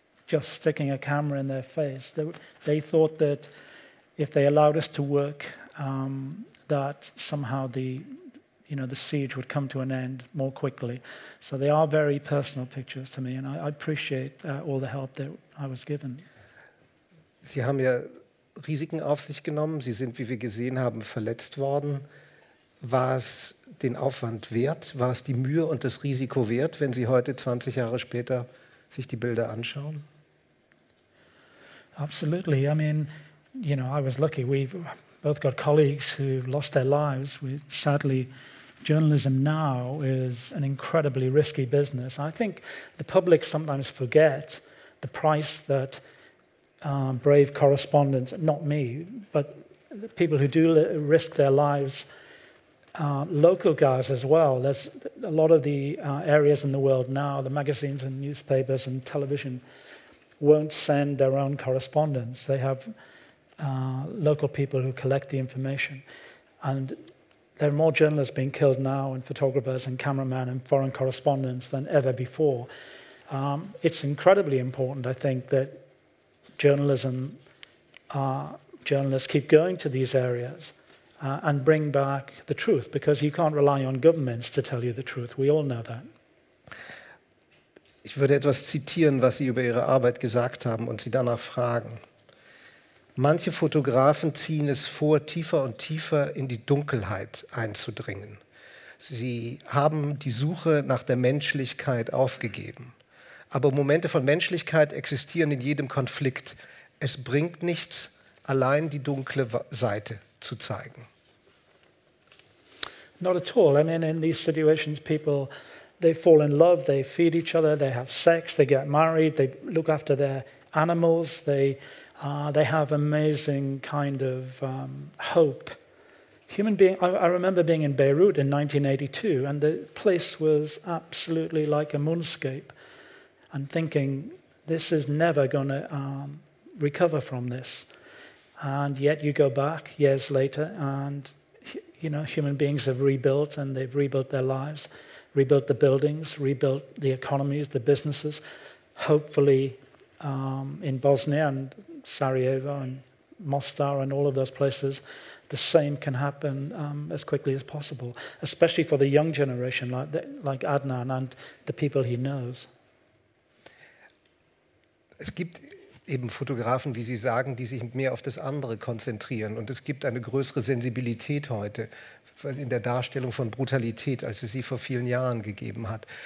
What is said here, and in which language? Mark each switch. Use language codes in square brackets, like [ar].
[en] just sticking a camera in their face. They thought that if they allowed us to work, that somehow the siege would come to an end more quickly. So they are very personal pictures to me, and I appreciate all the help that I was given. [de] Sie haben ja Risiken auf sich genommen. Sie sind, wie wir gesehen haben, verletzt worden. War es den Aufwand wert? War es die Mühe und das Risiko wert, wenn Sie heute, 20 Jahre später, sich die Bilder anschauen? [en] Absolutely. I mean, you know, I was lucky. We've both got colleagues who lost their lives. Sadly, journalism now is an incredibly risky business. I think the public sometimes forget the price that brave correspondents, not me, but the people who do risk their lives, local guys as well. There's a lot of the areas in the world now, the magazines and newspapers and television won't send their own correspondents. They have local people who collect the information. And there are more journalists being killed now, and photographers and cameramen and foreign correspondents than ever before. It's incredibly important, I think, that journalists keep going to these areas and bring back the truth, because you can't rely on governments to tell you the truth. We all know that. [de] Ich würde etwas zitieren, was Sie über Ihre Arbeit gesagt haben, und Sie danach fragen. Manche Fotografen ziehen es vor, tiefer und tiefer in die Dunkelheit einzudringen. Sie haben die Suche nach der Menschlichkeit aufgegeben. Aber Momente von Menschlichkeit existieren in jedem Konflikt. Es bringt nichts, allein die dunkle Seite zu zeigen. [en] Not at all. I mean, in these situations, people, they fall in love, they feed each other, they have sex, they get married, they look after their animals, they have amazing kind of hope. I remember being in Beirut in 1982, and the place was absolutely like a moonscape. And thinking, this is never going to recover from this. And yet you go back years later and, you know, human beings have rebuilt, and they've rebuilt their lives, rebuilt the buildings, rebuilt the economies, the businesses, hopefully in Bosnia and Sarajevo and Mostar and all of those places, the same can happen as quickly as possible, especially for the young generation like Adnan and the people he knows. [de] Es gibt eben Fotografen, wie Sie sagen, die sich mehr auf das andere konzentrieren. Und es gibt eine größere Sensibilität heute in der Darstellung von Brutalität, als es sie vor vielen Jahren gegeben hat.